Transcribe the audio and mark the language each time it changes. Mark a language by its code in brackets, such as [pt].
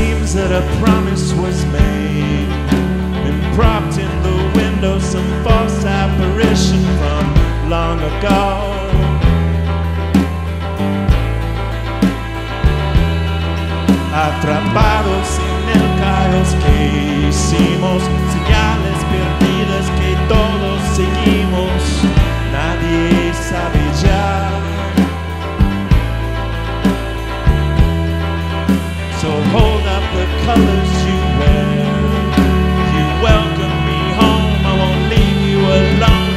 [en] That a promise was made and propped in the window, some false apparition from long ago. [es] Atrapados en el caos que hicimos, señales perdidas que todos seguimos, nadie sabe ya. [en] So hold up the colors you wear. You welcome me home. I won't leave you alone.